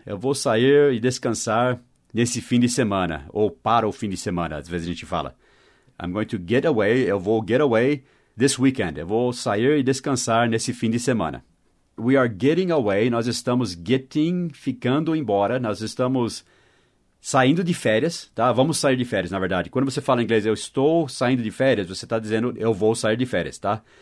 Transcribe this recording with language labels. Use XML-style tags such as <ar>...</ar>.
<pt>Eu vou sair e descansar nesse fim de semana. Ou para o fim de semana, às vezes a gente fala.</pt> <en>I'm going to get away,</en> <pt>eu vou</pt> <en>get away this weekend.</en> <pt>Eu vou sair e descansar nesse fim de semana.</pt> <en>We are getting away,</en> <pt>nós estamos getting, ficando embora. Nós estamos saindo de férias, tá? Vamos sair de férias, na verdade. Quando você fala em inglês, eu estou saindo de férias, você está dizendo, eu vou sair de férias, tá?</pt>